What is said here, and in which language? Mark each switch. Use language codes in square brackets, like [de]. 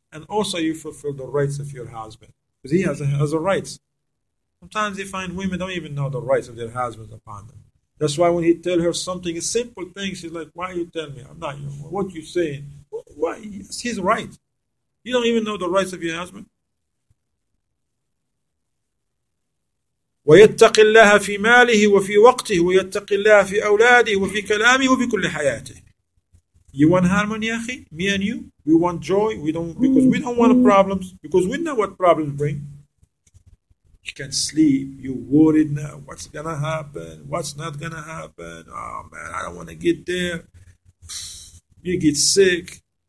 [en] And also you fulfill the rights of your husband. Because he has a rights. Sometimes you find women don't even know the rights of their husbands upon them. That's why when he tell her something, a simple thing, she's like, why you tell me? I'm not you. What you saying? Why? It's his right. You don't even know the rights of your husband. [ar] ويتقي الله في ماله وفي وقته ويتقي الله في أولاده وفي كلامه وفي كل حياته. [en] You want harmony, أخي? Me and you? We want joy? We don't, because we don't want problems. Because we know what problems bring. You can't sleep. You're worried now. What's going to happen? What's not going to happen? Oh, man, I don't want to get there. You get sick.